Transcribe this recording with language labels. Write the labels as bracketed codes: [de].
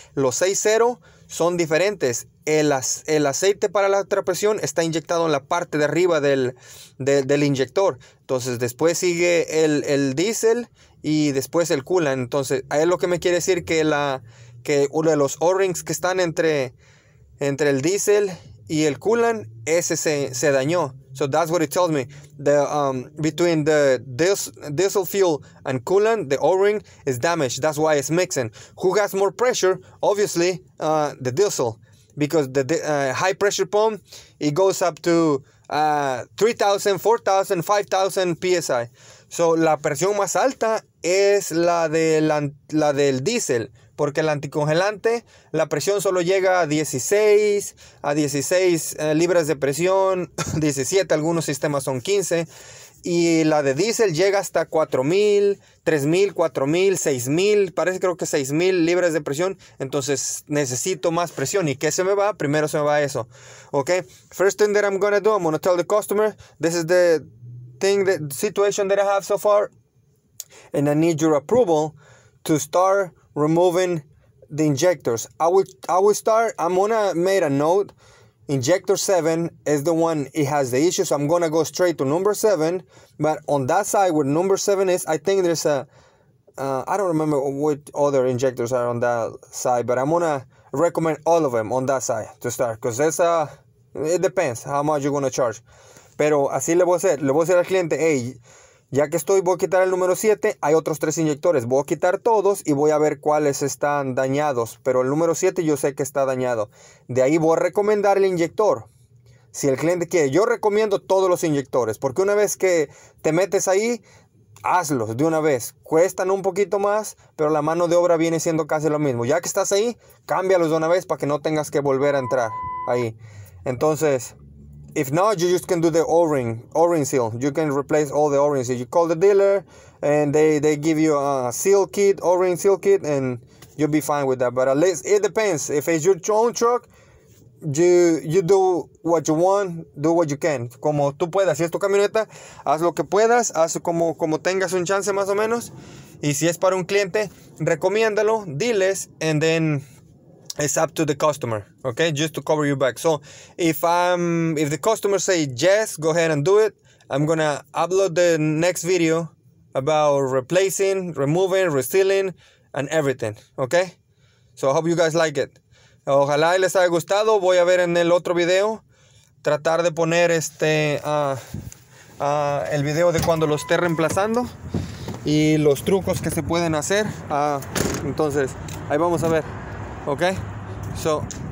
[es] Los 6.0 son diferentes. El aceite para la alta presión está inyectado en la parte de arriba del inyector. Entonces, después sigue el diésel y después el coolant. Entonces, ahí es lo que me quiere decir que uno de los O-rings que están entre el diésel y el coolant, ese se dañó. [en] So that's what it tells me. Between the diesel fuel and coolant, the O-ring is damaged. That's why it's mixing. Who has more pressure? Obviously, the diesel. Because the high pressure pump, it goes up to 3,000, 4,000, 5,000 PSI. [es] So la presión más alta es la del diesel. Porque el anticongelante, la presión solo llega a 16, a 16 libras de presión, 17, algunos sistemas son 15. Y la de diésel llega hasta 4,000, 3,000, 4,000, 6,000, parece creo que 6,000 libras de presión. Entonces necesito más presión. ¿Y qué se me va? Primero se me va eso. [en] Ok, first thing that I'm going to do, I'm going to tell the customer, this is the thing, the situation that I have so far. And I need your approval to start removing the injectors. I will start, I'm gonna make a note Injector 7 is the one it has the issue, so I'm gonna go straight to number 7. But on that side where number 7 is, I think there's a... I don't remember what other injectors are on that side, but I'm gonna recommend all of them on that side to start. Because that's a... It depends how much you're gonna charge. [es] Pero así le voy a hacer. Le voy a decir al cliente, hey, ya que estoy, voy a quitar el número 7. Hay otros 3 inyectores. Voy a quitar todos y voy a ver cuáles están dañados. Pero el número 7 yo sé que está dañado. De ahí voy a recomendar el inyector. Si el cliente quiere, yo recomiendo todos los inyectores. Porque una vez que te metes ahí, hazlos de una vez. Cuestan un poquito más, pero la mano de obra viene siendo casi lo mismo. Ya que estás ahí, cámbialos de una vez para que no tengas que volver a entrar ahí. Entonces... [en] If not, you just can do the O-ring seal. You can replace all the O-ring seal. You call the dealer, and they give you a seal kit, O-ring seal kit, and you'll be fine with that. But at least, it depends. If it's your own truck, you do what you want, do what you can. [es] Como tú puedas, si es tu camioneta, haz lo que puedas, haz como tengas un chance más o menos. Y si es para un cliente, recomiéndalo, diles, [en] and then... It's up to the customer, okay? Just to cover your back. So if the customer say yes, go ahead and do it. I'm gonna upload the next video about replacing, removing, resealing, and everything, okay? So I hope you guys like it. [es] Ojalá les haya gustado. Voy a ver en el otro video. Tratar de poner el video de cuando lo esté reemplazando. Y los trucos que se pueden hacer. Entonces, ahí vamos a ver. [en] Okay, so...